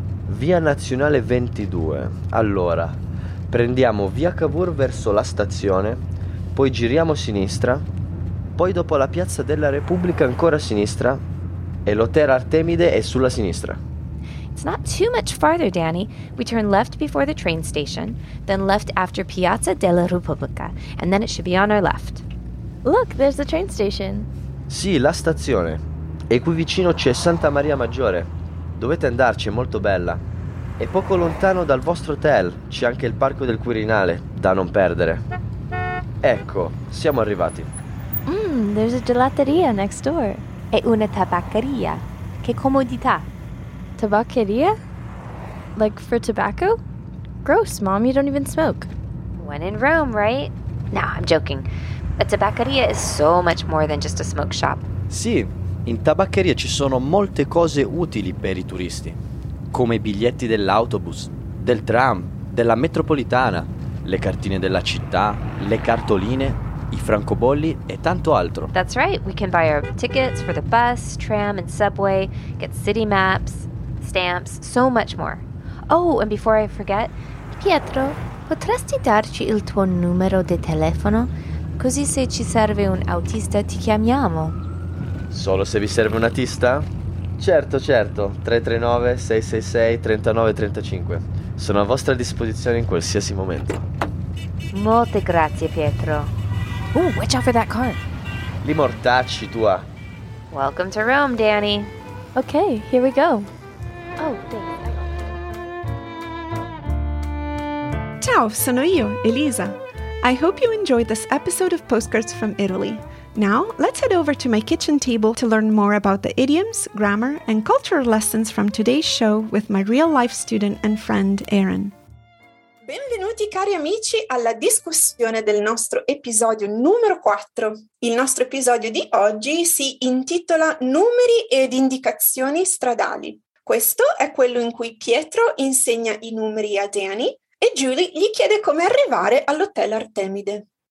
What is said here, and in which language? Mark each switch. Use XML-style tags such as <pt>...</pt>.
<it>Via Nazionale 22. Allora, prendiamo via Cavour verso la stazione, poi giriamo a sinistra, poi dopo la Piazza della Repubblica ancora a sinistra, e l'hotel Artemide è sulla sinistra.</it> <en>It's not too much farther, Danny. We turn left before the train station, then left after Piazza della Repubblica, and then it should be on our left. Look, there's the train station.</en> <it>Sì, la stazione. E qui vicino c'è Santa Maria Maggiore. Dovete andarci, è molto bella. E poco lontano dal vostro hotel c'è anche il Parco del Quirinale, da non perdere. Ecco, siamo arrivati.</it> <en>There's a gelateria next door.</en> <it>E una tabaccheria. Che comodità.</it> <en>Tabaccheria? Like for tobacco? Gross, Mom, you don't even smoke. When in Rome, right? No, I'm joking. A tabaccheria is so much more than just a smoke shop.</en> <it>Sì, in tabaccheria ci sono molte cose utili per i turisti, come i biglietti dell'autobus, del tram, della metropolitana, le cartine della città, le cartoline, i francobolli e tanto altro.</it> <en>That's right, we can buy our tickets for the bus, tram and subway, get city maps, stamps, so much more. Oh, and before I forget,</en> <it>Pietro, potresti darci il tuo numero di telefono? Così se ci serve un autista ti chiamiamo. Solo se vi serve una tista? Certo, certo. 339-666-3935. Sono a vostra disposizione in qualsiasi momento. Molte grazie, Pietro.</it> <en>Ooh, watch out for that car.</en> <it>Li mortacci tua.</it> <en>Welcome to Rome, Danny. Okay, here we go. Oh, thanks.</en> <it>Ciao, sono io, Elisa.</it> <en>I hope you enjoyed this episode of Postcards from Italy. Now, let's head over to my kitchen table to learn more about the idioms, grammar, and culture lessons from today's show with my real-life student and friend, Erin.</en> <it>Benvenuti, cari amici, alla discussione del nostro episodio numero 4. Il nostro episodio di oggi si intitola Numeri ed indicazioni stradali. Questo è quello in cui Pietro insegna i numeri a Danny e Julie gli chiede come arrivare all'Hotel Artemide.</it>